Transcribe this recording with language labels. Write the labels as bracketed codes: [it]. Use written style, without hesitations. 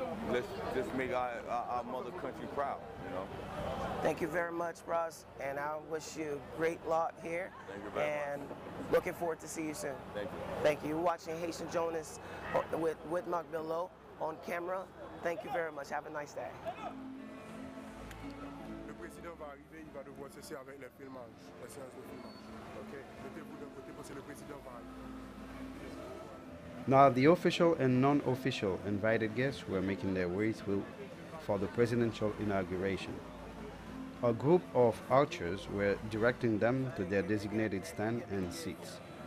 [en] Let's just make our mother country proud, you know. Thank you very much, Ross, and I wish you great luck here. Thank you very and much. Looking forward to see you soon. Thank you. Thank you. You're watching Haitian Jonas with Mark Billow on camera. Thank you very much. Have a nice day. [fr] Le président va arriver, il va devoir cesser avec les filmages, la séance de filmage. OK. Mettez-vous d'un côté parce que le président va arriver. [en] Now the official and non-official invited guests were making their way through for the presidential inauguration. A group of archers were directing them to their designated stand and seats.